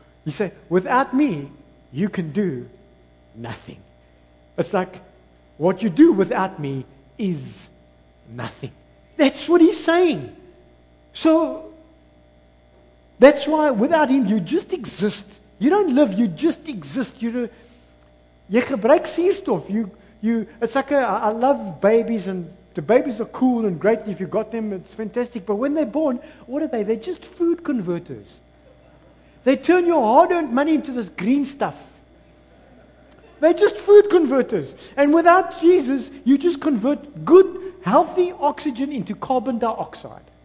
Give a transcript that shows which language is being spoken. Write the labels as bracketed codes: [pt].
[en] You say, without me, you can do nothing. It's like, what you do without me is nothing. That's what he's saying. So, that's why without him, you just exist. You don't live, you just exist. You're [af] Jy gebruik suurstof. [en] It's like I love babies, and the babies are cool and great. If you got them, it's fantastic. But when they're born, what are they? They're just food converters. They turn your hard-earned money into this green stuff. They're just food converters. And without Jesus, you just convert good, healthy oxygen into carbon dioxide.